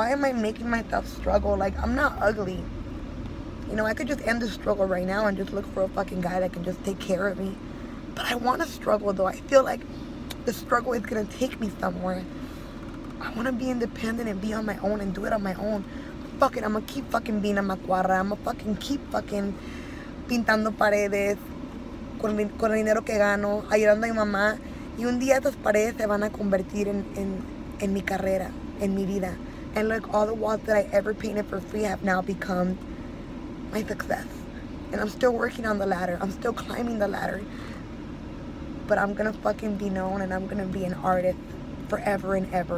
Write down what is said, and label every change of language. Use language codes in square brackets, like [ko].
[en] Why am I making myself struggle? Like, I'm not ugly. You know, I could just end the struggle right now and just look for a fucking guy that can just take care of me. But I want to struggle, though. I feel like the struggle is going to take me somewhere. I want to be independent and be on my own and do it on my own. Fuck it, I'ma keep fucking being a macuarra. I'ma fucking keep fucking [es] pintando paredes con el dinero que gano, ayudando a mi mamá. Y un día esas paredes se van a convertir en mi carrera, en mi vida. [en] And look, all the walls that I ever painted for free have now become my success. And I'm still working on the ladder. I'm still climbing the ladder. But I'm gonna fucking be known, and I'm gonna be an artist forever and ever.